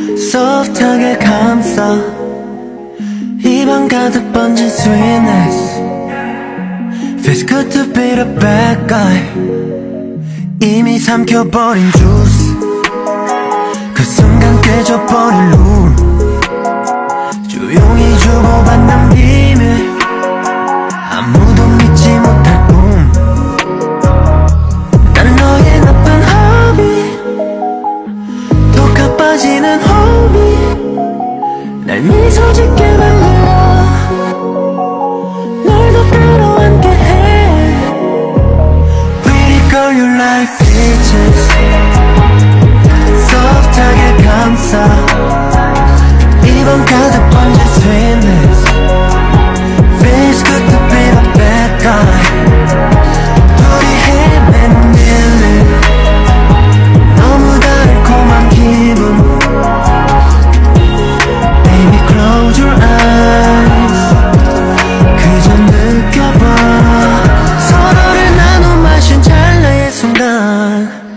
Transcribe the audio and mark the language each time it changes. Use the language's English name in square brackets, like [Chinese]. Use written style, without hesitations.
[English] Soft target [Korean] 감싸 입안 가득 번진 sweetness. [English] Feels good to be the bad guy. [Korean] 이미 삼켜버린 juice. 그 순간 깨져버린 룸. 조용히 주고받는 비밀. 아무도 믿지 못할 꿈. 난 너의 나쁜 hobby. 독에 빠지는 hobby. 날 미소 짓게 만들어. 널 더 끌어안게 해. [English] Pretty girl, you like peaches. Soft target [Korean] 감싸. 이번 가득 번진 sweetness. [English] Feels good to be the bad guy. [Korean] 둘이 헤매는 길을 너무 달콤한 기분. [English] Baby close your eyes. [Korean] 그저 느껴봐. 서로를 나눠 마신 찰나의 순간.